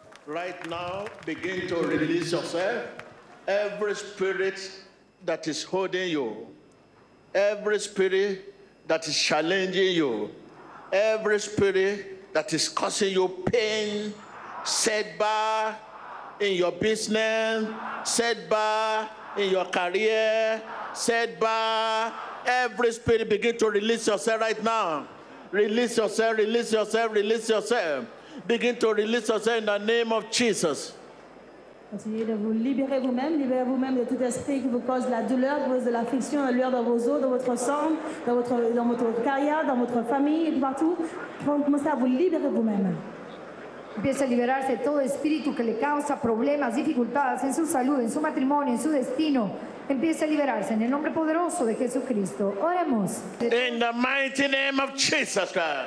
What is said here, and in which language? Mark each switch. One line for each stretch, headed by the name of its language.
English: Right now, begin to release yourself. Every spirit that is holding you, every spirit that is challenging you, every spirit that is causing you pain, setback in your business, setback in your career, setback, every spirit, begin to release yourself right now. Release yourself, release yourself, release yourself. Begin to release yourself in the name of Jesus.
French: Continuez de vous libérer vous-même, libérez vous-même de tout esprit qui vous cause la douleur, vous cause de l'affliction, la lueur dans vos os, dans votre sang, dans votre carrière, dans votre famille, partout. Commencez à vous libérer vous-même.
Spanish: Empiece a liberarse de todo espíritu que le causa problemas, dificultades en su salud, en su matrimonio, en su destino. Empiece a liberarse en el nombre poderoso de Jesucristo. Oremos.
English: In the mighty name of Jesus Christ.